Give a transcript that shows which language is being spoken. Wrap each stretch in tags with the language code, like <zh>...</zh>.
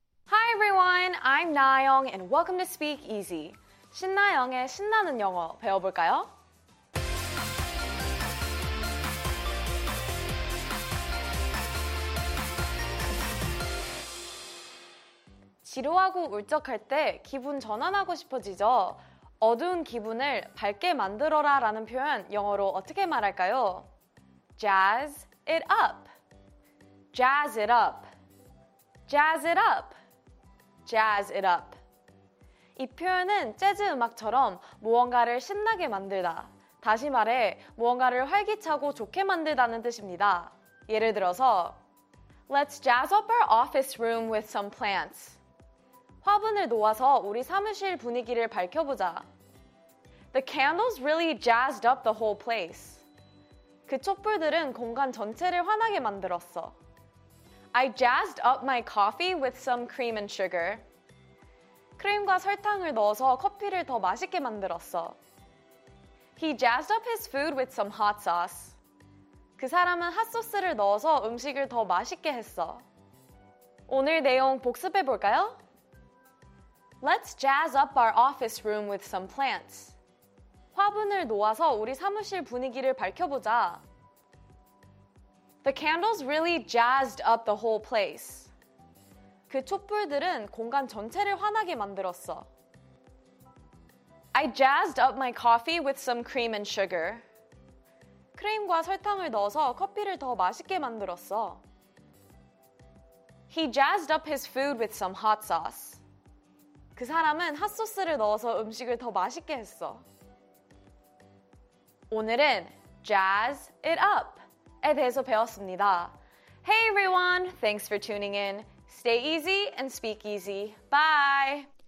<en>Hi everyone, I'm Nayoung and welcome to Speak Easy.</en> <ko>신나영의 신나는 영어 배워볼까요? 지루하고 울적할 때 기분 전환하고 싶어지죠? 어두운 기분을 밝게 만들어라 라는 표현 영어로 어떻게 말할까요?</ko> <en>Jazz it up! Jazz it up. Jazz it up. Jazz it up.</en> <ko>이 표현은 재즈 음악처럼 무언가를 신나게 만들다. 다시 말해 무언가를 활기차고 좋게 만들다는 뜻입니다. 예를 들어서</ko> <en>Let's jazz up our office room with some plants.</en> <ko>화분을 놓아서 우리 사무실 분위기를 밝혀보자.</ko> <en>The candles really jazzed up the whole place.</en> <ko>그 촛불들은 공간 전체를 환하게 만들었어.</ko> <en>I jazzed up my coffee with some cream and sugar.</en> <ko>크림과 설탕을 넣어서 커피를 더 맛있게 만들었어.</ko> <en>He jazzed up his food with some hot sauce.</en> <ko>그 사람은 핫소스를 넣어서 음식을 더 맛있게 했어. 오늘 내용 복습해 볼까요?</ko> <en>Let's jazz up our office room with some plants.</en> <ko>화분을 놓아서 우리 사무실 분위기를 밝혀보자.</ko> <en>The candles really jazzed up the whole place.</en> <ko>그 촛불들은 공간 전체를 환하게 만들었어.</ko> <en>I jazzed up my coffee with some cream and sugar.</en> <ko>크림과 설탕을 넣어서 커피를 더 맛있게 만들었어.</ko> <en>He jazzed up his food with some hot sauce.</en> <ko>그 사람은 핫소스를 넣어서 음식을 더 맛있게 했어. 오늘은 Jazz It Up에 대해서 배웠습니다.</ko> <en>Hey everyone, thanks for tuning in. Stay easy and speak easy. Bye!</en>